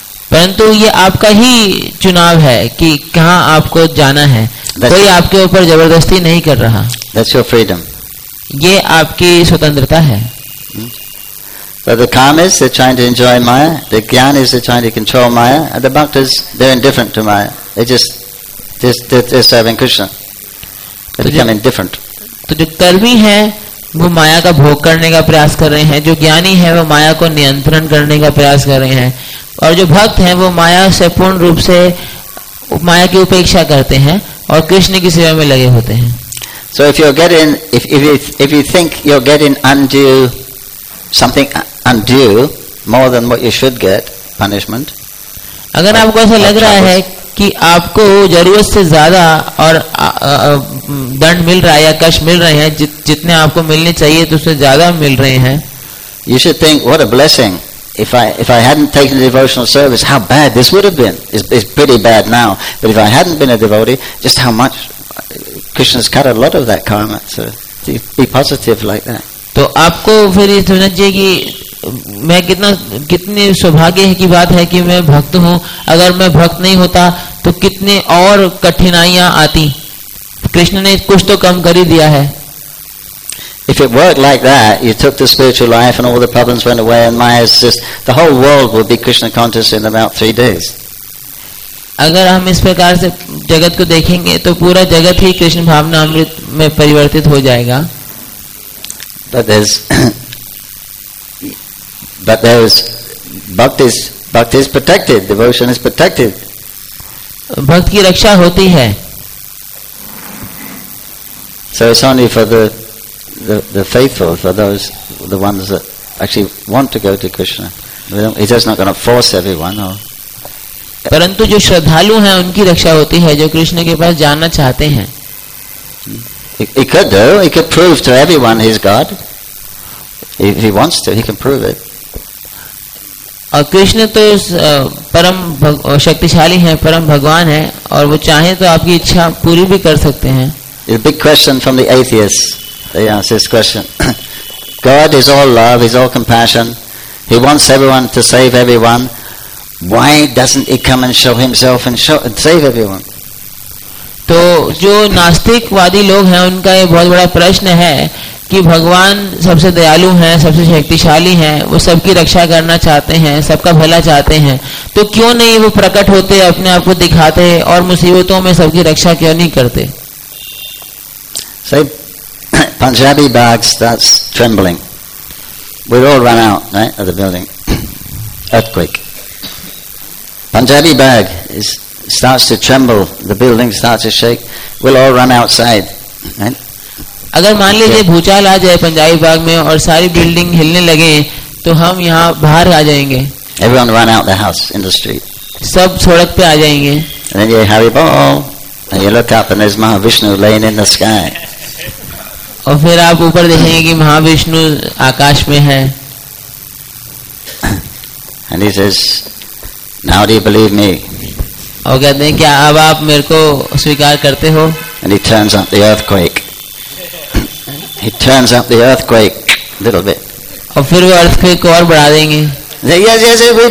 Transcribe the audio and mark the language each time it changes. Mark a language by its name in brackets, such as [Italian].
[Hindi] परंतु ये आपका ही चुनाव है कि कहाँ आपको जाना है [English] that's [Hindi] कोई आपके ऊपर जबरदस्ती नहीं कर रहा [English] That's your freedom. [Hindi] ये आपकी स्वतंत्रता है [English] So the calm is they're trying to enjoy Maya, the gyan is they're trying to control Maya, and the bhaktas, they're indifferent to Maya. They're serving Krishna. They become indifferent. [Hindi] तो जो कर्मी है वो माया का भोग करने का प्रयास कर रहे हैं जो ज्ञानी है वो माया को नियंत्रण करने का प्रयास कर रहे हैं और जो भक्त हैं वो माया से पूर्ण रूप से माया की उपेक्षा करते हैं और कृष्ण की सेवा में लगे होते हैं [English] So if you're getting if you think you're getting undue something undue more than what you should get punishment [Hindi] अगर आपको ऐसा लग रहा है कि आपको जरूरत से ज्यादा और दंड मिल रहा है या कष्ट मिल रहे हैं जितने आपको मिलने चाहिए तो उससे ज्यादा मिल रहे हैं [English] You should think what a blessing If I hadn't taken the devotional service, how bad this would have been. It's pretty bad now. But if I hadn't been a devotee, just how much Krishna's cut a lot of that karma. So be positive like that. [Hindi] तो आपको फिर ये सोचना चाहिए कि मैं कितने सौभाग्य की बात है कि मैं भक्त हूँ. अगर मैं भक्त नहीं होता, तो कितने और कठिनाइयाँ आती. कृष्ण ने कुछ तो कम कर ही दिया है. [English] If it worked like that, you took the spiritual life and all the problems went away and Maya is just, the whole world would be Krishna conscious in about 3 days. [Hindi] अगर हम इस प्रकार से जगत को देखेंगे तो पूरा जगत ही कृष्ण भावना अमृत में परिवर्तित हो जाएगा. [English] But there's bhakti is protected, devotion is protected. [Hindi] भक्त की रक्षा होती है. [English] So it's only for the faithful, for those, the ones that actually want to go to Krishna. He's just not going to force everyone. [Hindi] परंतु जो श्रद्धालु हैं उनकी रक्षा होती है जो कृष्ण के पास जाना चाहते हैं. [English] He could prove to everyone he's God. If he wants to, he can prove it. [Hindi] और कृष्ण तो परम शक्तिशाली हैं, परम भगवान हैं और वो चाहें तो आपकी इच्छा पूरी भी कर सकते हैं. [English] A big question from the atheists. They ask this question. God is all love, he's all compassion. He wants everyone to save everyone. Why doesn't he come and show himself and save everyone? [Hindi] तो जो नास्तिकवादी लोग हैं उनका ये बहुत बड़ा प्रश्न है कि भगवान सबसे दयालु हैं, सबसे शक्तिशाली हैं, वो सबकी रक्षा करना चाहते हैं, सबका भला चाहते हैं, तो क्यों नहीं वो प्रकट होते, अपने आप को दिखाते और मुसीबतों में सबकी रक्षा क्यों नहीं करते? [English] Say, Punjabi bag starts trembling. We all run out, right, of the building. Earthquake. Punjabi bag starts to tremble. The building starts to shake. We'll all run outside, right? [Hindi] अगर मान लीजिए भूचाल आ जाए पंजाबी बाग में और सारी बिल्डिंग हिलने लगे तो हम यहाँ बाहर आ जाएंगे. [English] Everyone run out the house in the street. [Hindi] सब सड़क पे आ जाएंगे. [English] And then you have a ball. And you look up and there's Mahavishnu laying in the sky. [Hindi] और फिर आप ऊपर देखेंगे कि महाविष्णु आकाश में है. [English] And he says, "Now do you believe me?" [Hindi] और कहते हैं क्या अब आप मेरे को स्वीकार करते हो? [English] And he turns up the earthquake. He turns up the earthquake a little bit. [Hindi] और फिर वो अर्थक्वेक को और बढ़ा देंगे.